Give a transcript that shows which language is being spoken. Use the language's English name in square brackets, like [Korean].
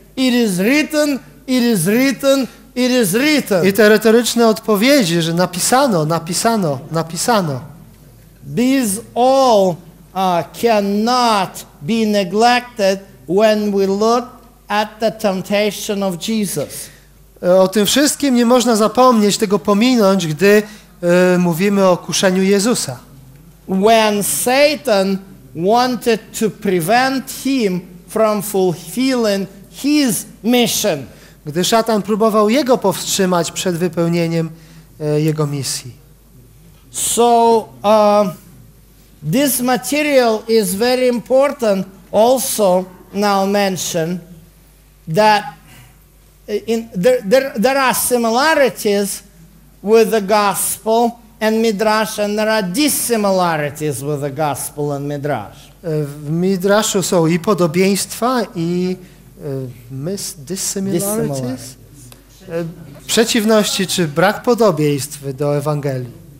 [English] It is written, it is written, it is written. [Polish] I te retoryczne odpowiedzi, że napisano, napisano, napisano. [English] These all cannot be neglected when we look at the temptation of Jesus. [Polish] O tym wszystkim nie można zapomnieć, tego pominąć, gdy mówimy o kuszeniu Jezusa. [English] When Satan wanted to prevent him from fulfilling his mission. [Polish] Gdy szatan próbował jego powstrzymać przed wypełnieniem jego misji. [English] So this material is very important also now mention that in there are similarities with the gospel and Midrash, and there are dissimilarities with the Gospel and Midrash. [Polish] W Midraszu są i podobieństwa, i dissimilarities? Przeciwności czy brak podobieństw do Ewangelii.